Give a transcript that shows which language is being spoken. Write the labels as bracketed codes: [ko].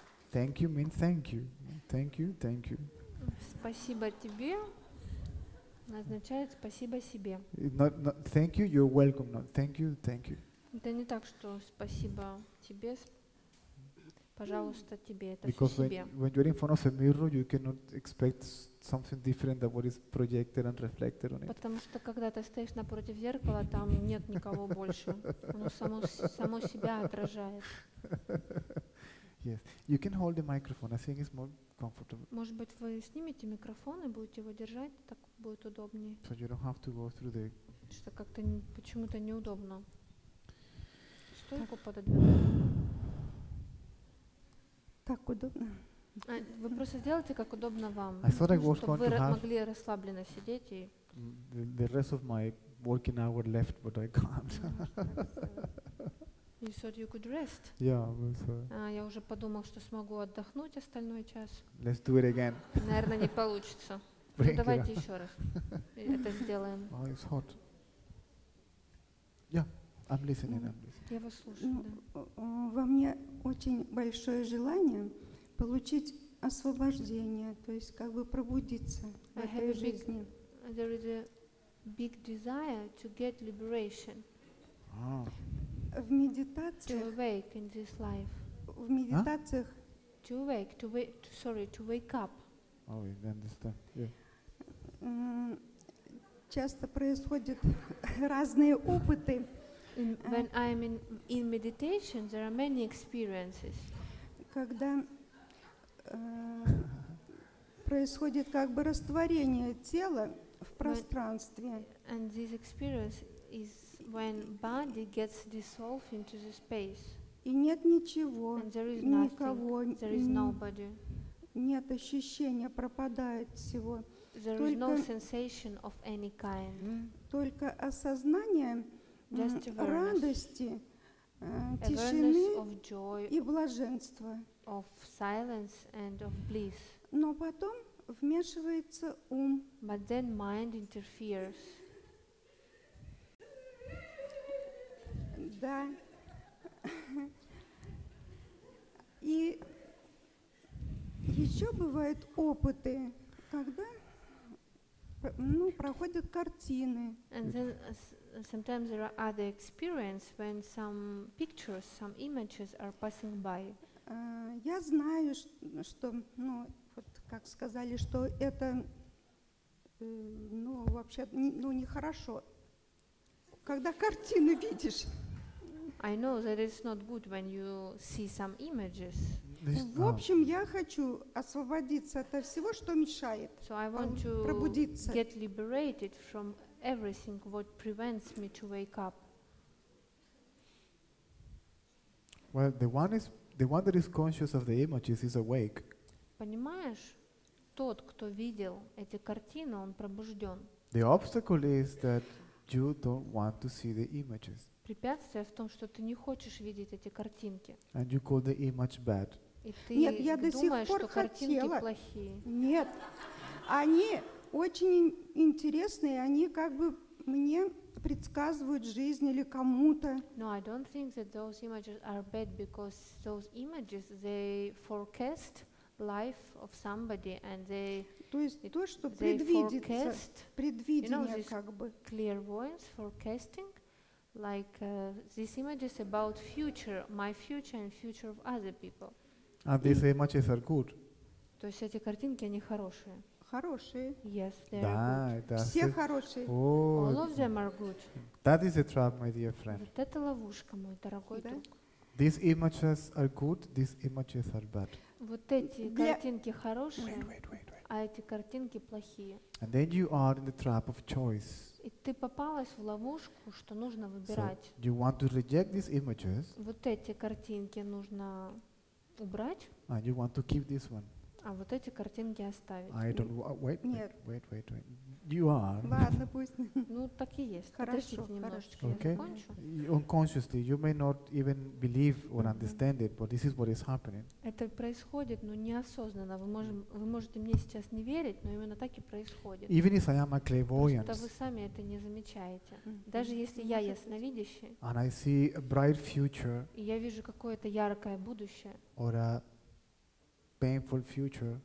[en] Thank you means thank you. Thank you, thank you. [ru] Спасибо тебе означает спасибо себе. [en] Not thank you, you're welcome. Not thank you, thank you. [ru] Это не так, что спасибо тебе, пожалуйста, тебе, это [en] because [ru] все [en] when, [ru] себе. [en] When you're in front of a mirror, you cannot expect something different than what is projected and reflected on it. [ru] Потому что когда ты стоишь напротив зеркала, там нет никого больше. Оно само себя отражает. [en] Yes, you can hold the microphone. I think it's more comfortable. [ru] Может быть, вы снимете микрофон и будете его держать, так будет удобнее. [en] So you don't have to go through the. [ru] Что как-то почему-то неудобно. Стойку пододвинуть. Так удобно. Вы просто сделайте, как удобно вам. [en] I thought I was going to have. [ru] Чтобы вы могли расслабленно сидеть и. [en] The rest of my working hour left, but I can't. You thought you could rest. Yeah, I'm sorry. [ru] Я уже подумал, что смогу отдохнуть остальной час. [en] Let's do it again. [ru] Наверное, не получится. Ну давайте еще раз. это сделаем. [en] Oh, it's hot. Yeah, I'm listening. I'm listening. [ru] Я вас слушаю. Ну, да. Во мне очень большое желание получить освобождение, то есть как бы пробудиться в этой жизни. [en] There is a big desire to get liberation. [ru] В медитациях. [en] To awake in this life. [ru] В медитациях. [en] To awake, to wake up. Oh, I understand. Yeah. [ru] Часто происходят разные опыты. [en] When I'm in meditation, there are many experiences. [ru] Когда происходит как бы растворение тела в пространстве. [en] And this experience is when body gets dissolved into the space. [ru] И нет ничего, никого, [en] nobody, [ru] нет ощущения, пропадает всего. [en] There is no sensation of any kind. [ru] Только осознание радости, тишины и блаженства. [en] Of silence and of bliss. [ru] Но потом вмешивается ум. [en] But then mind interferes. [ru] Да. И еще бывают опыты, когда проходят картины. [en] And then sometimes there are other experiences when some pictures, some images are passing by. [ru] Я знаю, что, как сказали, что это, вообще, нехорошо, когда картины видишь. [en] I know that it's not good when you see some images. [ru] В общем, я хочу освободиться от всего, что мешает. [en] So I want to [ru] пробудиться. [en] Get liberated from everything what prevents me to wake up. Well, the one that is conscious of the images is awake. [ru] Понимаешь? Тот, кто видел эти картины, он пробужден. [en] The obstacle is that you don't want to see the images. [ru] Препятствие в том, что ты не хочешь видеть эти картинки. [en] And you call the image bad. [ru] Нет, я до сих пор хотела. Нет, они очень интересные, они как бы мне предсказывают жизнь или кому-то. [en] No, I don't think that those images are bad because those images they forecast life of somebody and they. [ru] То есть то, что предвидится, предвидение как бы. [en] Clairvoyance forecasting, like these images about future, my future and future of other people. And these images are good. [ru] То есть эти картинки они хорошие. Хорошие. [en] Yes, they are good. [ru] Все хорошие. [en] All of them are good. That is a trap, my dear friend. [ru] Вот это ловушка, мой дорогой друг. [en] These images are good. These images are bad. [ru] Вот эти картинки хорошие, а эти картинки плохие. [en] And then you are in the trap of choice. [ru] И ты попалась в ловушку, что нужно выбирать. [en] So you want to reject these images? [ru] Вот эти картинки нужно убрать. [en] And you want to keep this one? [ru] А вот эти картинки оставить. [en] I don't wait. You are. [ru] Ладно, пусть. Ну, так и есть. Хорошо, подождите немножечко, [en] okay. [ru] Я закончу. [en] Unconsciously, you may not even believe or understand it, but this is what is happening. [ru] Это происходит, но неосознанно. Вы можете мне сейчас не верить, но именно так и происходит. [en] Even if I am a clairvoyant. [ru] Просто вы сами это не замечаете. Даже если я ясновидящий. [en] And I see a bright future. [ru] И я вижу какое-то яркое будущее. [en] Or a painful future.